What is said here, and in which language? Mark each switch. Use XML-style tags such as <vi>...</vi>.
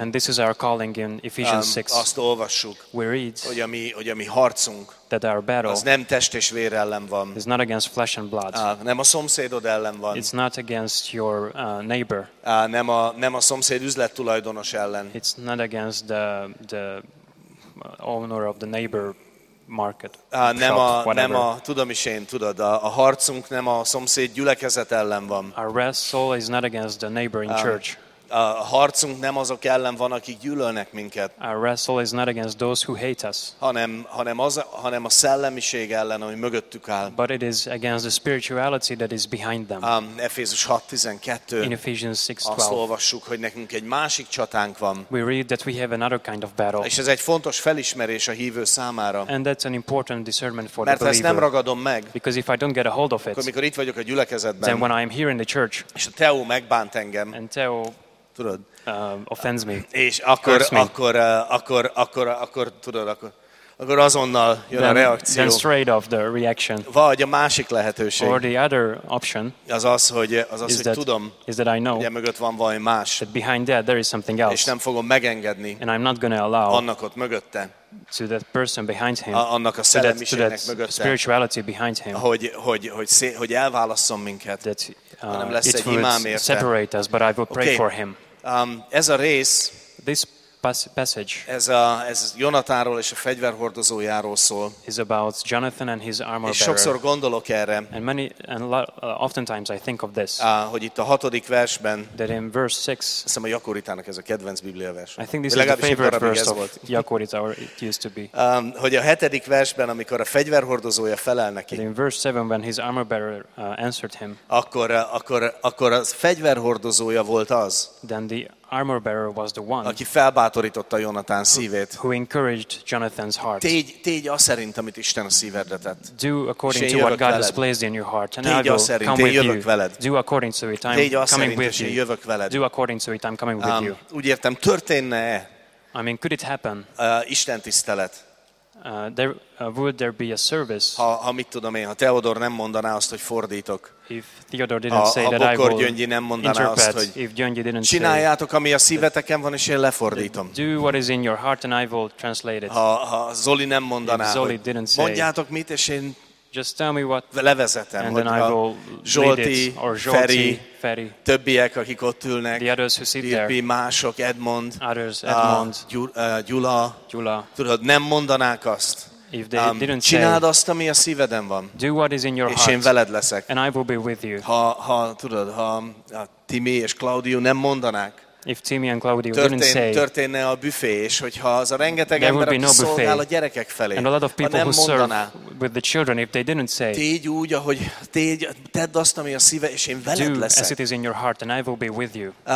<en>And this is our calling in Ephesians 6.</en> <hu>Azt olvassuk,</hu> <en>we read,</en> <hu>hogy a mi harcunk,</hu> <en>that our battle</en> <hu>az nem test és vér ellen van.</hu> <en>Is not against flesh and blood.</en> <hu>Nem a szomszédod ellen van.</hu> <en>It's not against your neighbor.</en> <hu>Nem a szomszéd üzlet tulajdonos ellen.</hu> <en>It's not against the owner of the neighbor. Market,</en> <hu>nem</hu> <en>shop,</en> <hu>a, nem a, tudom is én, tudod, a harcunk nem a szomszéd gyülekezet ellen van.</hu> <en>Our wrestle is not against the neighboring church.</en> <hu>harcunk nem azok ellen van, akik gyűlölnek minket.</hu> <en>Our wrestle is not against those who hate us.</en> <hu>Hanem a szellemiség ellen, ami mögöttük áll.</hu> <en>But it is against the spirituality that is behind them.</en> <hu>Efézus 6:12.</hu> <en>In Ephesians 6:12.</en> <hu>Azt olvassuk, hogy nekünk egy másik csatánk van.</hu> <en>We read that we have another kind of battle.</en> <hu>És ez egy fontos felismerés a hívő számára.</hu> <en>And that's an important discernment for</en> <hu>Mert</hu> <en>the believer.</en> <hu>Mert ezt nem ragadom meg.</hu> <en>Because if I don't get a hold of it.</en> <hu>Amikor itt vagyok a gyülekezetben.</hu> <en>Then when I am here in the church.</en> <hu>És a Teó megbánt engem.</hu> <en>And Teó tudod, offends me.</en> <hu>És akkor azonnal jön</hu> <en>then,</en> <hu>a reakció.</hu> <en>Then straight off the reaction.</en> <hu>Vagy a másik lehetőség.</hu> <en>Or the other option.</en> <hu>Az, hogy tudom.</hu> <en>Is that I know.</en> <hu>Ugye mögött van valami más.</hu> <en>That behind that there is something else.</en> <hu>És nem fogom megengedni.</hu> <en>And I'm not going to allow.</en> <hu>Annak ott mögötte.</hu> <en>To that person behind him.</en> <hu>Annak a szellemiségnek mögötte.</hu> <en>Spirituality behind him.</en> <hu>Hogy elválasszon minket.</hu> <en>That it would separate us, but I will pray for him.</en> <hu>Ez a rész,</hu> <en>this passage,</en> <hu>ez Jonatánról és a fegyverhordozójáról szól.</hu> <en>Is about Jonathan and his armor bearer.</en> <hu>És sokszor gondolok erre.</hu> <en>Oftentimes I think of this.</en> <hu>Hogy itt a hatodik versben.</hu> <en>That in verse 6.</en> <hu>Hiszem a Jakoritának ez a kedvenc Biblia vers.</hu> <en>I think this is a favorite verse of Jakorita, or it used to be.</en> <hu>Hogy a hetedik versben, amikor a fegyverhordozója felel neki.</hu> <en>In verse 7, when his armor bearer answered him.</en> <hu>Akkor a fegyverhordozója volt az.</hu> <en>Then the armor bearer was the one.</en> <hu>Aki felbátorította Jonatán szívét.</hu> <en>Who encouraged Jonathan's heart.</en> <hu>Tégy azt szerint, amit Isten a szívedre tett.</hu> <en>Do according to what God has placed in your heart. And I will come with you. Do according to it. I'm coming with you. Do according to it. I'm coming with you.</en> <hu>Úgy értem, történne-e?</hu> <en>I mean, could it happen?</en> <hu>Isten tisztelet.</hu> <en>Would there be a service?</en> <hu>Ha mit tudom én, ha Theodor nem mondaná azt, hogy fordítok.</hu> <en>If Theodore didn't say that I will interpret, Gyöngyi</en> <hu>nem mondaná azt, hogy</hu> <en>if Gyöngyi didn't</en> <hu>csináljátok, ami a szíveteken van, és én lefordítom.</hu> <en>Do what is in your heart and I will translate it.</en> <hu>Ha Zoli nem mondaná,</hu> <en>if Zoli didn't say,</en> <hu>mondjátok mit, és én</hu> <en>just tell me what,</en> <hu>levezetem,</hu> <en>and then I will</en> <hu>Zsolti,</hu> <en>lead it,</en> <hu>or Zsolti, Feri, többiek, akik ott ülnek,</hu> <en>the others who sit</en> <hu>Irpi,</hu> <en>there,</en> <hu>mások, Edmond,</hu> <en>others, Edmond,</en> <hu>Gyula, tudod, nem mondanák azt,</hu> <en>if they didn't</en> <hu>csináld</hu> <en>say,</en> <hu>azt, ami a szíveden van,</hu> <en>do what is in your</en> <hu>és</hu> <en>heart,</en> <hu>én veled leszek.</hu> <en>And I will be with you.</en> <hu>Ha tudod, ha Timi és Claudio nem mondanák,</hu> <en>if Timi and Claudio didn't say,</en> <hu>történne a büfé, és hogyha az a rengeteg ember, aki szolgál a gyerekek felé,</hu> <en>and a lot of people who serve with the children, if they didn't say,</en> <hu>tégy úgy, ahogy tégy, tedd azt, ami a szíve, és én veled leszek.</hu> <en>Do as it is in your heart, and I will be with you.</en>